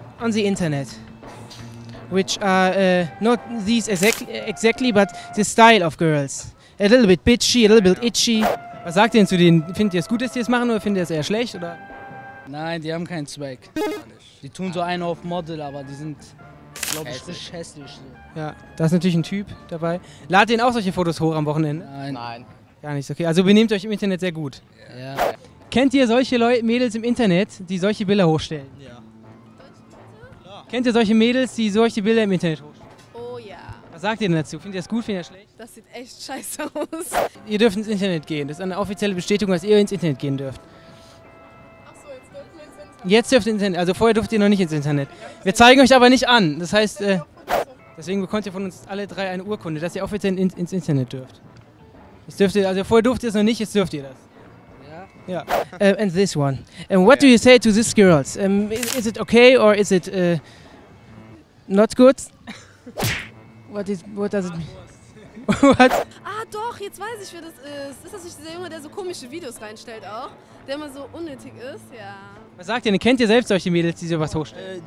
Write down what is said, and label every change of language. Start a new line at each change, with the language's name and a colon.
English: on the internet, which are not these exactly, but the style of girls. A little bit bitchy, a little bit itchy.
German: Was sagt ihr denn zu denen? Findet ihr es gut, dass die es machen, oder findet ihr es eher schlecht? Oder? Nein, die haben keinen Zweck. Die tun so einen auf Model, aber die sind, glaube ich, richtig hässlich. Ja, da ist natürlich ein Typ dabei. Ladet ihr denn auch solche Fotos hoch am Wochenende? Nein. Gar nicht, okay. Also benehmt euch im Internet sehr gut. Ja. Kennt ihr solche Mädels im Internet, die solche Bilder hochstellen? Ja. Kennt ihr solche Mädels, die solche Bilder im Internet hochstellen? Oh ja. Was sagt ihr denn dazu? Findet ihr das gut, findet ihr das schlecht? Das sieht echt scheiße aus. Ihr dürft ins Internet gehen. Das ist eine offizielle Bestätigung, dass ihr ins Internet gehen dürft. Achso, jetzt dürft ihr ins Internet. Jetzt dürft ihr ins Internet. Also vorher dürft ihr noch nicht ins Internet. Wir zeigen euch aber nicht an. Das heißt, deswegen bekommt ihr von uns alle drei eine Urkunde, dass ihr offiziell ins Internet dürft. Vorher durft ihr es noch nicht, jetzt dürft ihr das.
English: Yeah. And this one. And what do you say to these girls? Is it okay or is it not good? What does it mean? What?
German: Ah doch, jetzt weiß ich, wer das ist. Ist das nicht dieser Junge, der so komische Videos reinstellt auch? Der immer so unnötig ist, ja. Was sagt ihr denn? Kennt ihr selbst solche Mädels, die sowas hochstellen?